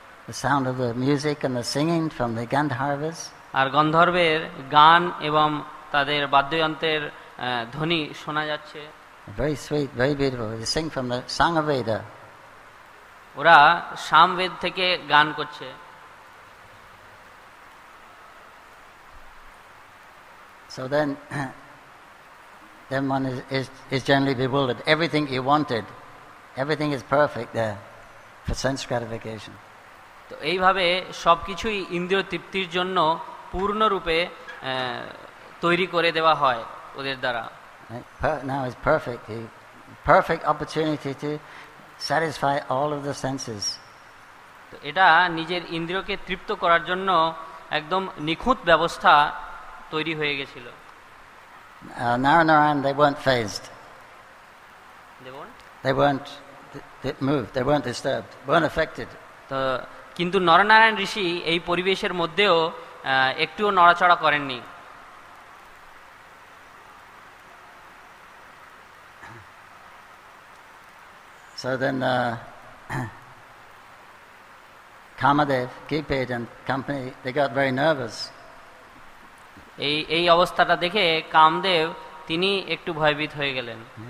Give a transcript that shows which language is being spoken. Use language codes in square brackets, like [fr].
[en] The sound of the music and the singing from the Gandharvas. [bn] আর গন্ধর্বের গান এবং তাদের বাদ্যযন্ত্রের ধ্বনি শোনা যাচ্ছে। [en] Very sweet, very beautiful. They sing from the Sangha Veda. [bn] ওরা সামবেদ থেকে গান করছে। [en] So then one is generally bewildered. Everything you wanted, everything is perfect there for sense gratification. [bn] তো এইভাবে সবকিছুই ইন্দ্রিয় তৃপ্তির জন্য পূর্ণরূপে তৈরি করে দেওয়া হয় ওদের দ্বারা। [en] Now it's perfect. Perfect opportunity to satisfy all of the senses. [bn] এটা নিজের ইন্দ্রিয়কে তৃপ্ত করার জন্য একদম নিখুঁত ব্যবস্থা তৈরি হয়ে গেছিল। [en] Narayan, they weren't phased. They weren't? They weren't moved. They weren't disturbed. Weren't affected. [bn] তো কিন্তু নরনারায়ণ ঋষি এই পরিবেশের মধ্যেও একটুও নড়াচড়া করেননি। [en] So then Kamadev, Kipet and company, they got very nervous. [bn] এই অবস্থাটা দেখে কামদেব তিনি একটু ভয়ভীত হয়ে গেলেন।